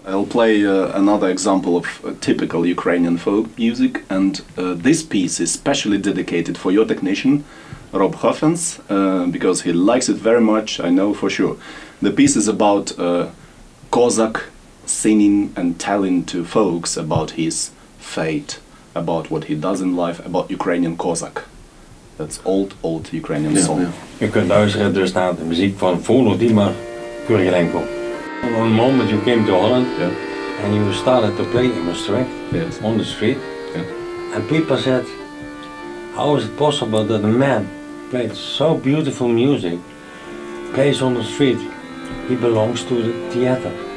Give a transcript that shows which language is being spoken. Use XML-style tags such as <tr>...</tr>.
<en>I'll play another example of typical Ukrainian folk music, and this piece is specially dedicated for your technician, Rob Huffens, because he likes it very much, I know for sure. The piece is about a Cossack singing and telling to folks about his fate, about what he does in life, about Ukrainian Cossack. That's old Ukrainian song. Yeah. You can</en> <nl>luisteren dus naar de muziek van Volodymyr Kurylenko.</nl> <en>One moment you came to Holland, yeah, and you started to play in Maastricht, yes, on the street, yeah, and people said, how is it possible that a man played so beautiful music, plays on the street, he belongs to the theater.</en>